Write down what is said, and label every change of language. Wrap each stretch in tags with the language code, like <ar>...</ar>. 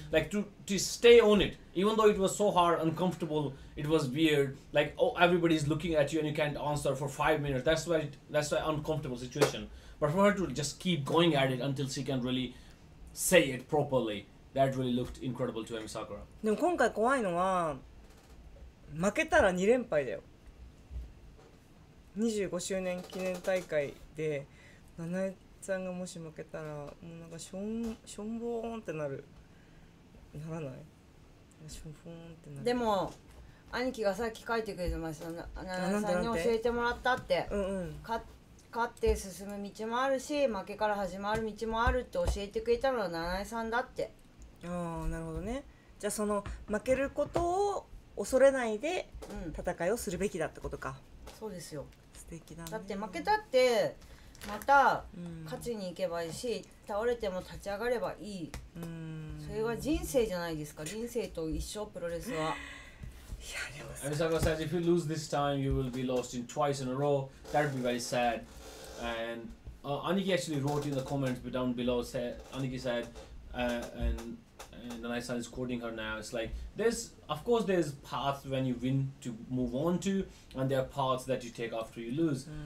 <en>Like to stay on it, even though it was so hard, uncomfortable, it was weird. Like, oh, everybody's looking at you and you can't answer for 5 minutes. That's why uncomfortable situation. But for her to just keep going at it until she can really say it properly, that really looked incredible to Ami Sakura.</en> <ja>でも今回怖いのは、負けたら2連敗だよ。25周年記念大会で、アナエちゃんがもし負けたらもうなんかしょんぼーんってなる。ならない？しょんぼーんってなる。でも兄貴がさっき書いてくれてました、アナエさんに教えてもらったって。うんうん、勝って進む道もあるし負けから始まる道もあるって教えてくれたのはナナエさんだって。ああ、なるほどね。じゃあその負けることを恐れないで戦いをするべきだってことか。うん、そうですよ。素敵だね。だって負けたってまた勝ちに行けばいいし、うん、倒れても立ち上がればいい。それは人生じゃないですか。人生と一緒、プロレスは。</ja> <en>And Saga said, if you lose this time, you will be lost in twice in a row. That would be very sad. And Aniki actually wrote in the comments down below, Aniki said, and Nanai San is quoting her now. It's like, there's paths when you win to move on to, and there are paths that you take after you lose.</en>